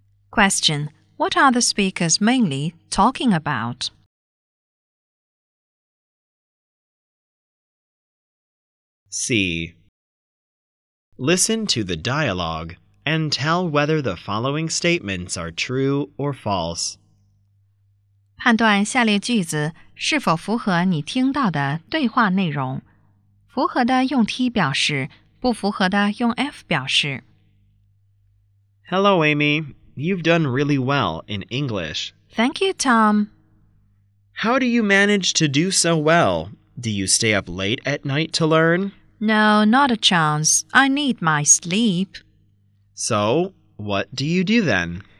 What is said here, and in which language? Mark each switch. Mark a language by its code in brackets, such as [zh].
[en] Question: What are the speakers mainly talking about? 14. Listen to the dialogue and tell whether the following statements are true or false. [zh] 判断下列句子是否符合你听到的对话内容。符合的用 T 表示，不符合的用 F 表示。 [en] Hello, Amy. You've done really well in English. Thank you, Tom. How do you manage to do so well? Do you stay up late at night to learn? No, not a chance. I need my sleep. So, what do you do then?